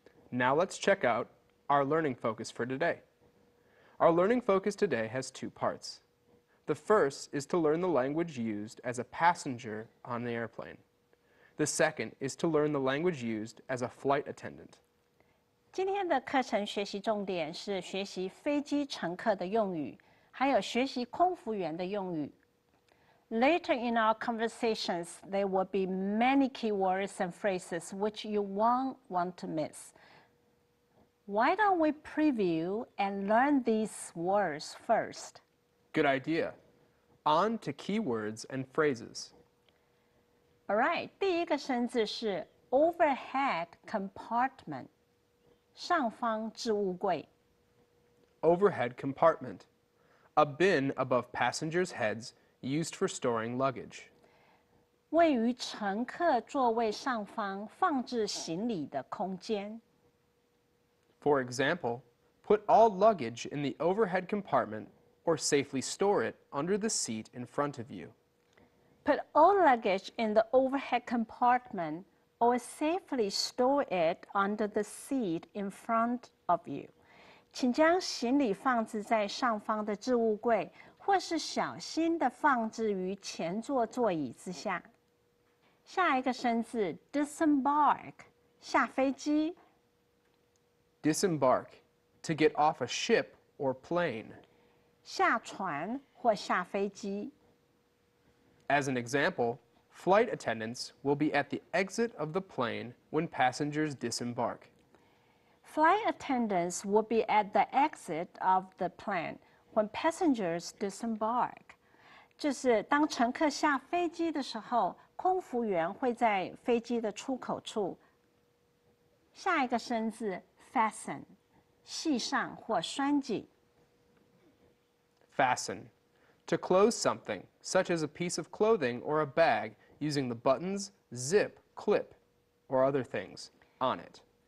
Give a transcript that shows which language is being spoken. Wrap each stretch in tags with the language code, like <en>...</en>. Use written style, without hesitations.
<en>Now let's check out our learning focus for today. Our learning focus today has two parts. The first is to learn the language used as a passenger on the airplane. The second is to learn the language used as a flight attendant.</en> <zh>今天的课程学习重点是学习飞机乘客的用语，还有学习空服员的用语。</zh> <en>Later in our conversations, there will be many keywords and phrases which you won't want to miss. Why don't we preview and learn these words first? Good idea. On to keywords and phrases. All right,</en> <zh>第一个生字是 overhead compartment, 上方置物柜。</zh> <en>Overhead compartment, a bin above passengers' heads used for storing luggage.</en> <zh>位于乘客座位上方放置行李的空间。</zh> <en>For example, put all luggage in the overhead compartment. Or safely store it under the seat in front of you. Put all luggage in the overhead compartment or safely store it under the seat in front of you.</en> <zh>请将行李放置在上方的置物柜，或是小心地放置于前座座椅之下。下一个生字 disembark， 下飞机。</zh> <en>Disembark, to get off a ship or plane.</en> <zh>下船或下飞机。</zh> <en>As an example, flight attendants will be at the exit of the plane when passengers disembark. Flight attendants will be at the exit of the plane when passengers disembark.</en> <zh>就是当乘客下飞机的时候，空服员会在飞机的出口处。下一个生字 fasten, 系上或拴紧。</zh> <en>Fasten, to close something, such as a piece of clothing or a bag, using the buttons, zip, clip, or other things on it.</en>